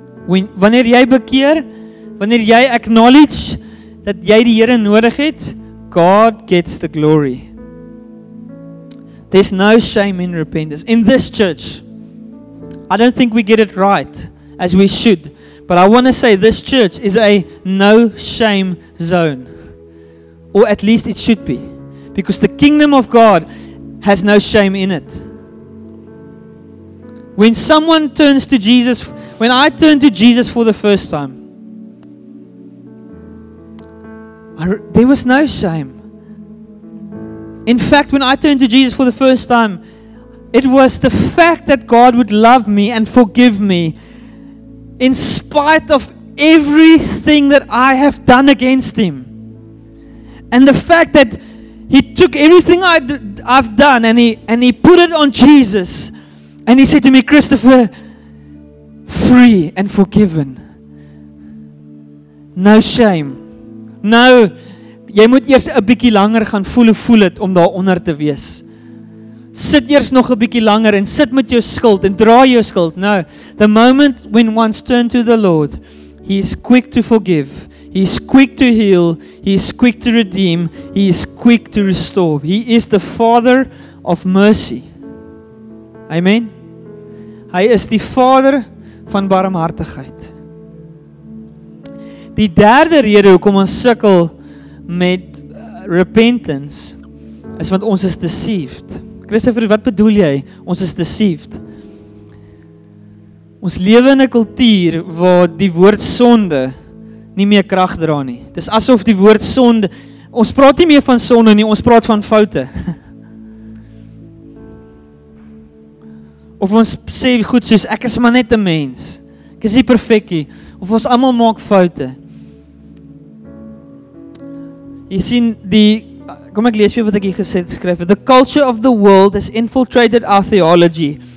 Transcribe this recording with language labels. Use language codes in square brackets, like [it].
[af] Wanneer jy bekeer, wanneer jy acknowledge dat jy die Here nodig het, [en] God gets the glory. There's no shame in repentance. In this church, I don't think we get it right as we should. But I want to say this church is a no shame zone. Or at least it should be. Because the kingdom of God has no shame in it. When someone turns to Jesus, when I turn to Jesus for the first time, there was no shame. In fact, when I turned to Jesus for the first time, it was the fact that God would love me and forgive me in spite of everything that I have done against Him. And the fact that He took everything I've done and He put it on Jesus and He said to me, Christopher, free and forgiven. No shame. [af] No, jy moet eers 'n bietjie langer gaan voel het om daaronder te wees. Sit eers nog 'n bietjie langer en sit met jou skuld en dra jou skuld. [en] No, the moment when one's turned to the Lord, He is quick to forgive. He is quick to heal. He is quick to redeem. He is quick to restore. He is the Father of mercy. Amen. [af] Hy is die Vader van barmhartigheid. Die derde rede hoekom ons sukkel met repentance is want ons is deceived. Christopher, wat bedoel jy? Ons is deceived. Ons lewe in 'n kultuur waar die woord sonde nie meer krag dra nie. Dis asof die woord sonde, ons praat nie meer van sonde nie, ons praat van foute. Of ons sê goed soos ek is maar net 'n mens. Ek is nie perfek nie. Of ons almal maak foute. Jy sien die, kom ek lees vir wat ek hier gesê skryf. [en] The culture of the world has infiltrated our theology.